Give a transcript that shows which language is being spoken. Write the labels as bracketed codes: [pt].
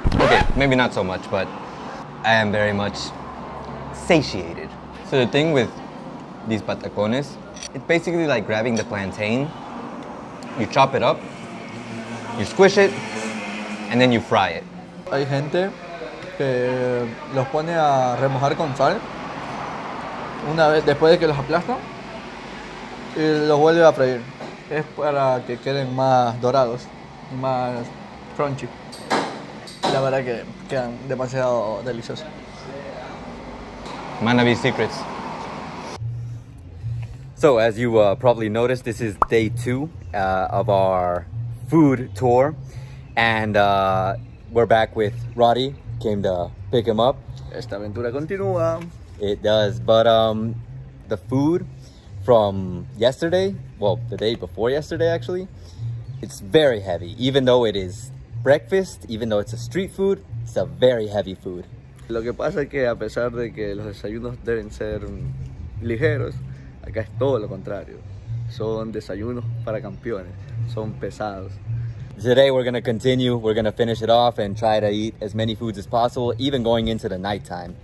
[en] Okay, maybe not so much, but I am very much satiated. So the thing with these patacones, it's basically like grabbing the plantain. You chop it up, you squish it, and then you fry it. [es] Hay gente que los pone a remojar con sal una vez después de que los aplasta y los vuelve a freír. Es para que queden más dorados, más crunchy. La verdad que quedan demasiado deliciosos. [en] Manabi secrets. So as you probably noticed, this is day two of our food tour. And we're back with Roddy, came to pick him up. [es] Esta aventura continúa. [en] It does, but the food from yesterday, well, the day before yesterday actually, it's very heavy. Even though it is breakfast, even though it's a street food, it's a very heavy food. [es] Lo que pasa es que a pesar de que los desayunos deben ser ligeros, acá es todo lo contrario. Son desayunos para campeones, son pesados. [en] Today we're gonna continue, we're gonna finish it off and try to eat as many foods as possible, even going into the nighttime.